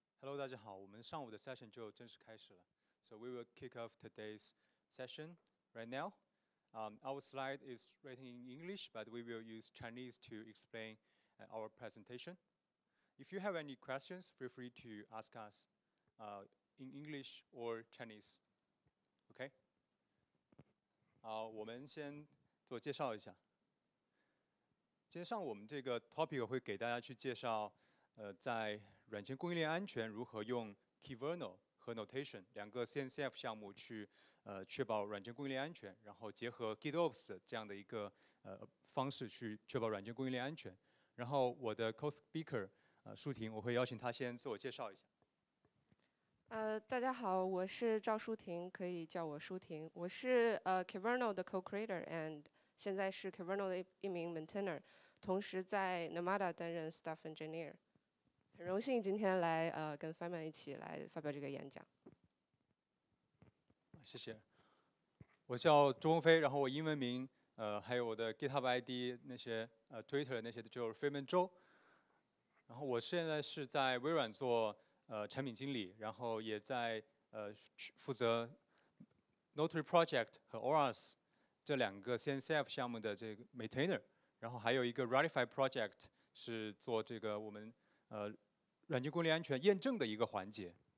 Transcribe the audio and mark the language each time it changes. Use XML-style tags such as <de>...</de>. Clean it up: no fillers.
<zh>Hello, 大家好，我们上午的 session 就正式开始了。</zh> <en>So we will kick off today's session right now. Our slide is written in English, but we will use Chinese to explain our presentation. If you have any questions, feel free to ask us in English or Chinese.</en> <zh>Okay? 我们先做介绍一下。今天上午我们这个 topic 会给大家去介绍在软件供应链安全如何用 Key Vernal 和 Notation 两个 CNCF 项目去确保软件供应链安全，然后结合 GitOps 这样的一个方式去确保软件供应链安全。然后我的 co-speaker 舒婷，我会邀请她先自我介绍一下。大家好，我是赵舒婷，可以叫我舒婷。我是Key Vernal 的 co-creator， and 现在是 Key Vernal 的一名 maintainer， 同时在 Nomada 担任 staff engineer。很荣幸今天来跟 Feynman 一起来发表这个演讲。谢谢。我叫朱鸿飞，然后我英文名还有我的 GitHub ID 那些Twitter 那些就是 Feynman 周。然后我现在是在微软做产品经理，然后也在负责 Notary Project 和 Auras 这两个 CNCF 项目的这个 Maintainer， 然后还有一个 Ratify Project 是做这个我们软件供应链安全验证的一个环节。</zh>